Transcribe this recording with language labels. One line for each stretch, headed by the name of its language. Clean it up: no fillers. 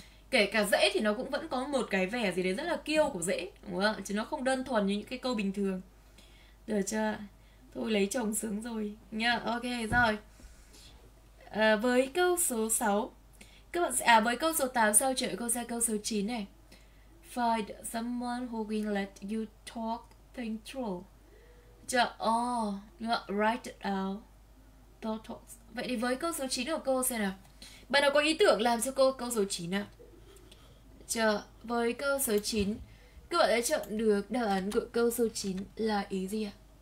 Vietnamese: Kể cả dễ thì nó cũng vẫn có một cái vẻ gì đấy rất là kiêu của dễ, đúng không? Chứ nó không đơn thuần như những cái câu bình thường. Được chưa? Thôi lấy chồng sướng rồi nha. Ok rồi. Với câu số 6 các bạn sẽ, với câu số 8 sao chuyển câu sang câu số 9 này.
English: Find someone who will let you talk things through. Chờ, write it out. Talk, talk.
Vietnamese: Vậy thì với câu số 9 của cô xem nào. Bạn nào có ý tưởng làm cho cô câu số 9 ạ? Chờ, với câu số 9 Các bạn đã chọn được đáp án của câu số 9 là ý gì ạ?